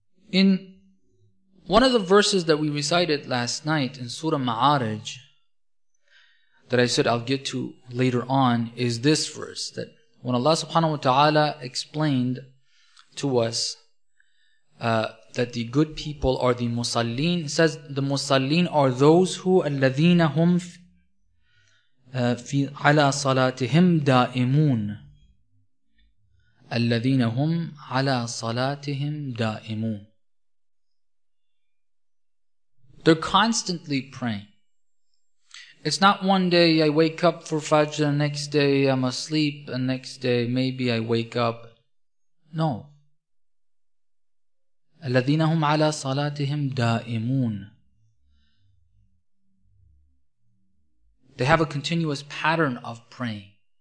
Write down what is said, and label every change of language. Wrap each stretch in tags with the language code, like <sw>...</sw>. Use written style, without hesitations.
<en>In one of the verses that we recited last night in Surah Ma'arij, that I said I'll get to later on, is this verse that when Allah subhanahu wa ta'ala explained to us that the good people are the musallin. It says the musallin are those who</en> <ar>الَّذِينَ هُمْ فِي عَلَى صَلَاتِهِمْ دَائِمُونَ</ar> <en>الَّذِينَ هُمْ عَلَى صَلَاتِهِمْ دَائِمُونَ They're constantly praying. It's not one day I wake up for Fajr, the next day I'm asleep, the next day maybe I wake up. No.</en> <ar>الَّذِينَ هُمْ عَلَى صَلَاتِهِمْ دَائِمُونَ</ar> <en>They have a continuous pattern of praying.</en>